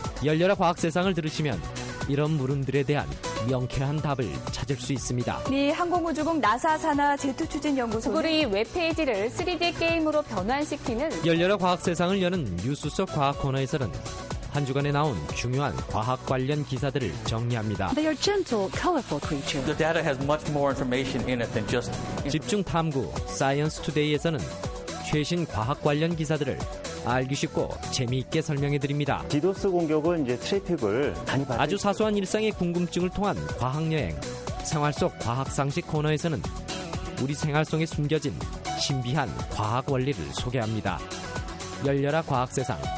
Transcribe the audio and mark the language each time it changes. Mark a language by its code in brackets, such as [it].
[ko] 열렬한 과학 세상을 들으시면 이런 물음들에 대한 명쾌한 답을 찾을 수 있습니다. 미 항공우주국 나사 산하 제트추진연구소 구글의 웹페이지를 3D 게임으로 변환시키는 열렬한 과학 세상을 여는 뉴스 속 과학 코너에서는 한 주간에 나온 중요한 과학 관련 기사들을 정리합니다. [en] They are gentle, colorful creatures. The data has much more information in it than just [ko] 집중 탐구 사이언스 투데이에서는 최신 과학 관련 기사들을 알기 쉽고 재미있게 설명해 드립니다. 디도스 공격은 이제 트래픽을 많이 받아 아주 사소한 일상의 궁금증을 통한 과학 여행, 생활 속 과학 상식 코너에서는 우리 생활 속에 숨겨진 신비한 과학 원리를 소개합니다. 열렬한 과학 세상.